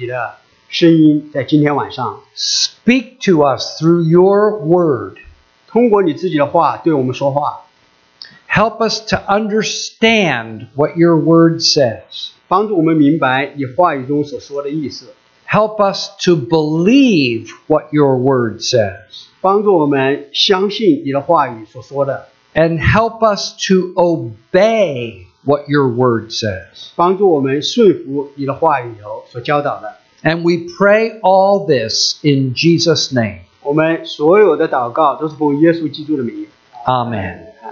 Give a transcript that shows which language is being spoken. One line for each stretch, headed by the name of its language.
Chinese: 开启我们的心，让我们能够听见你的声音在今天晚上。
English: Speak to us through your word.
Chinese: 通过你自己的话对我们说话。
English: Help us to understand what your word says.
Chinese: 帮助我们明白你话语中所说的意思。
English: Help us to believe what your word says.
Chinese: 帮助我们相信你的话语所说的。
English: And help us to obey what your word says.
Chinese: 帮助我们顺服你的话语所教导的。
English: And we pray all this in Jesus' name.
Chinese: 我们所有的祷告都是奉耶稣基督的名。Amen.